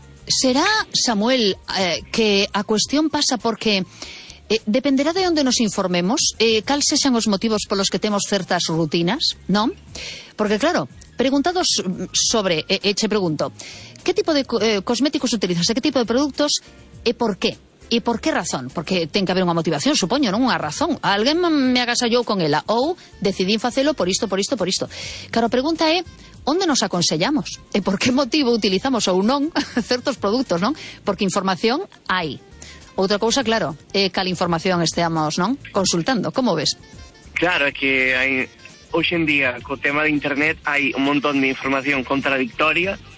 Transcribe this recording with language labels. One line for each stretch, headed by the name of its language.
Galician: ¿Será, Samuel, que a cuestión pasa porque dependerá de onde nos informemos, cal se sean os motivos polos que temos certas rutinas, non?
Spanish: Porque, claro, preguntados sobre,
Galician: eche pregunto,
Spanish: ¿qué tipo de cosméticos utilizas, qué tipo de productos e por qué? ¿Y por qué razón?
Galician: Porque ten que haber unha motivación, supoño, non unha razón. Alguén me agasallou con ela ou decidín facelo por isto. Claro, a pregunta é, ¿onde nos aconsellamos? ¿E por qué motivo utilizamos ou non certos produtos, non? Porque información hai. Outra cousa, claro, é cal información esteamos, non? Consultando, como ves? Claro, é que hai, hoxe en día, co tema de internet, hai un montón de información contradictoria.